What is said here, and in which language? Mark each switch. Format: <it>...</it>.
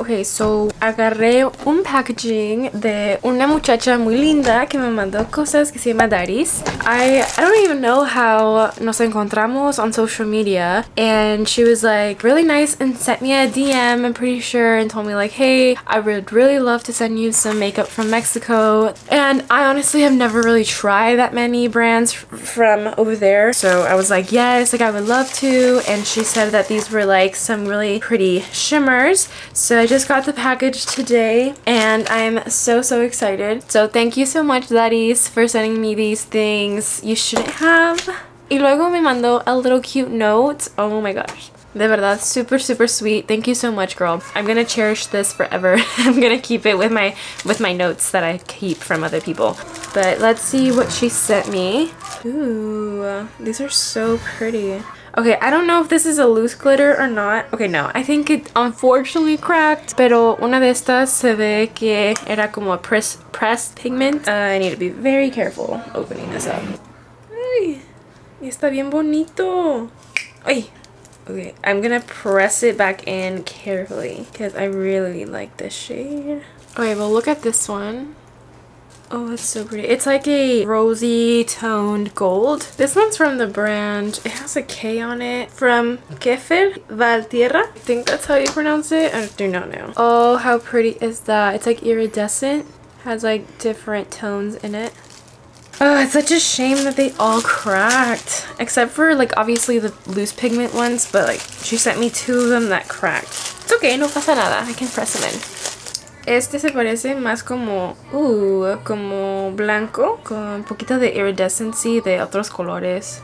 <es>Okay, so agarré un packaging de una muchacha muy linda que me mandó cosas que se llama Daris.</es> <en>I don't even know how</en> <es>nos encontramos</es> <en>on social media, and she was like really nice and sent me a DM, I'm pretty sure, and told me like, hey, I would really love to send you some makeup from Mexico. And I honestly have never really tried that many brands from over there, so I was like, yes, like I would love to. And she said that these were like some really pretty shimmers, so I just got the package today and I'm so excited. So thank you so much, Daris, for sending me these things. You shouldn't have.</en> <es>Y luego me mandó</es> <en>a little cute note. Oh my gosh.</en> <es>De verdad,</es> <en>super sweet. Thank you so much, girl. I'm gonna cherish this forever. I'm gonna keep it with my notes that I keep from other people. But let's see what she sent me. Ooh, these are so pretty. Okay, I don't know if this is a loose glitter or not. Okay, no, I think it unfortunately cracked.</en> <es>Pero una de estas se ve que era como</es> <en>a pressed pigment. I need to be very careful opening this up.</en> <es>Ay, está bien bonito. Ay.</es> <en>Okay, I'm gonna press it back in carefully because I really like this shade. Okay, well look at this one. Oh, it's so pretty. It's like a rosy toned gold. This one's from the brand. It has a K on it. From Kefir Valtierra. I think that's how you pronounce it. I do not know. Oh, how pretty is that? It's like iridescent. Has like different tones in it. Oh, it's such a shame that they all cracked. Except for like obviously the loose pigment ones. But like she sent me two of them that cracked. It's okay.</en> <es>No pasa nada.</es> <en>I can press them in.</en> <es>Este se parece más como, como blanco, con poquito de iridescency de otros colores.</es>